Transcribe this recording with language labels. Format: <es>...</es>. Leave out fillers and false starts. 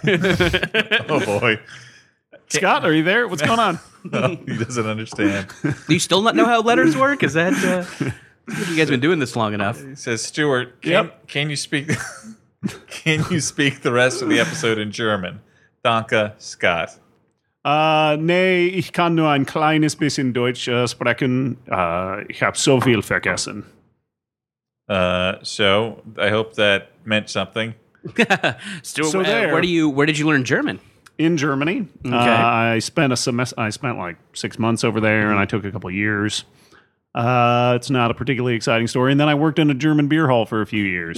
<en>Oh, boy. Scott, are you there? What's going on? No, he doesn't understand. Do you still not know how letters work? Is that... you guys been doing this long enough? He says, Stuart, can you speak... can you speak the rest of the episode in German?</en> <de>Danke, Scott. Nee, ich kann nur ein kleines bisschen Deutsch sprechen. Ich habe so viel vergessen.</de> <en>So I hope that meant something. Stuart, so where did you learn German? In Germany. Okay. I spent like 6 months over there, and I took a couple years. It's not a particularly exciting story. And then I worked in a German beer hall for a few years.</en>